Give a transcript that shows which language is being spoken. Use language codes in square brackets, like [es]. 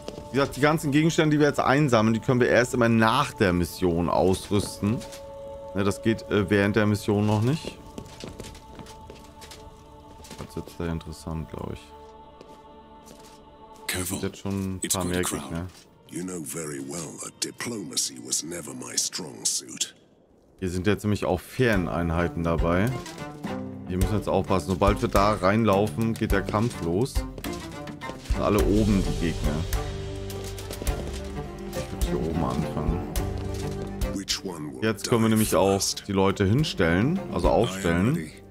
[de] Wie gesagt, die ganzen Gegenstände, die wir jetzt einsammeln, die können wir erst immer nach der Mission ausrüsten. Ne, das geht während der Mission noch nicht. Das ist sehr interessant, glaube ich. Es gibt jetzt schon ein paar mehr Gegner. [en] You know very well that diplomacy was never my strong suit. [de] Hier sind jetzt nämlich auch Ferneinheiten dabei. Wir müssen jetzt aufpassen. Sobald wir da reinlaufen, geht der Kampf los. Das sind alle oben die Gegner. Hier oben anfangen. Jetzt können wir nämlich auch die Leute hinstellen, also aufstellen.